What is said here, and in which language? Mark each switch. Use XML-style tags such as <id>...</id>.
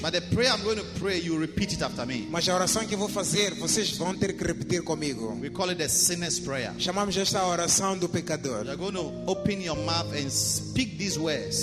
<en>But the prayer I'm going to pray, you repeat it after me.</en> <pt>Mas a oração que eu vou fazer, vocês vão ter que repetir comigo.</pt> <en>We call it the sinner's prayer.</en> <pt>Chamamos esta oração do pecador.</pt> <en>You're going to open your mouth and speak these words.</en>